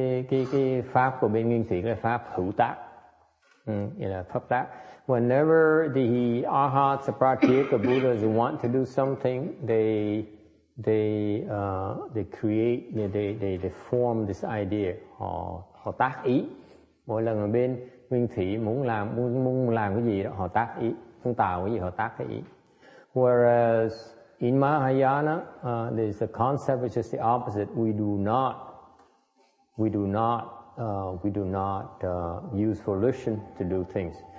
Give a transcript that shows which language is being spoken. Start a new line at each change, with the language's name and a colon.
Vietnamese: Cái pháp của bên nguyên thủy là pháp hữu tác. Pháp tác.
English: Whenever the arhats, the pratyek, the buddhas want to do something, they form this idea.
Vietnamese: Họ tác ý. Mỗi lần bên nguyên thủy muốn làm cái gì đó, họ tác ý. Muốn tạo cái gì, họ tác cái ý.
English: Whereas in Mahayana, there's a concept which is the opposite. We do not use volition to do things.